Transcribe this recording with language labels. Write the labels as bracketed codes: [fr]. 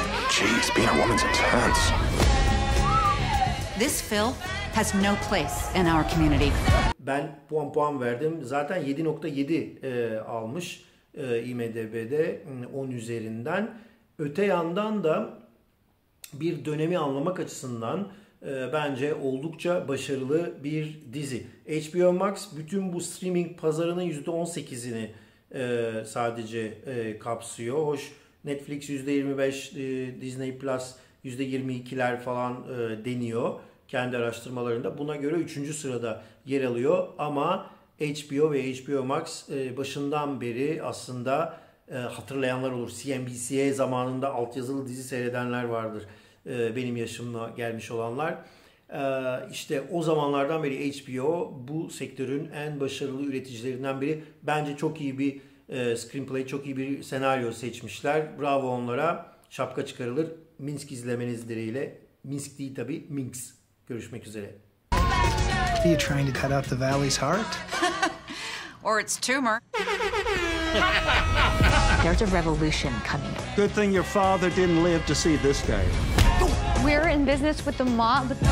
[en] Jeez, being a woman's intense. This film has no place in our community. [tr] Ben puan verdim. Zaten 7.7 almış IMDb'de 10 üzerinden. Öte yandan da bir dönemi anlamak açısından bence oldukça başarılı bir dizi. HBO Max bütün bu streaming pazarının %18'ini sadece kapsıyor. Hoş Netflix %25, Disney Plus %22'ler falan deniyor kendi araştırmalarında. Buna göre 3. sırada yer alıyor. Ama HBO ve HBO Max başından beri aslında hatırlayanlar olur. CNBC'ye zamanında altyazılı dizi seyredenler vardır. Benim yaşımla gelmiş olanlar. İşte o zamanlardan beri HBO bu sektörün en başarılı üreticilerinden biri. Bence çok iyi bir screenplay, çok iyi bir senaryo seçmişler. Bravo onlara. Şapka çıkarılır. Minsk izlemeniz dileğiyle. Minsk değil tabi, Minx. Görüşmek üzere. [en] Are you trying to cut out the valley's heart? Or its tumor? There's a revolution coming. Good thing your father didn't live to see this day. We're in business with the mob.